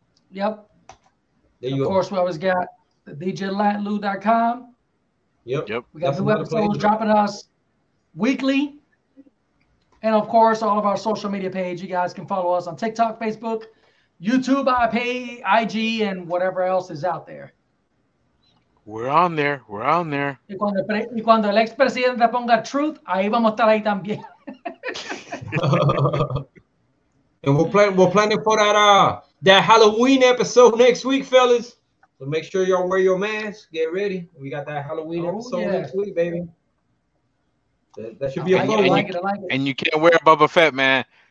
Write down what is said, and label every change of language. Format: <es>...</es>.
<en>Yep. Of course, we always got DJLatLou.com. Yep. Yep. We got new episodes dropping us weekly. And, of course, all of our social media page. You guys can follow us on TikTok, Facebook, YouTube, IG, and whatever else is out there. We're on there. We're on there.</en> <es>Y cuando el expresidente ponga truth, ahí vamos a estar ahí también.</es> <en>And we're planning for that that Halloween episode next week, fellas. So make sure y'all wear your mask. Get ready. We got that Halloween episode next week, baby. That should be a fun one. And you can't wear Boba Fett, man.</en>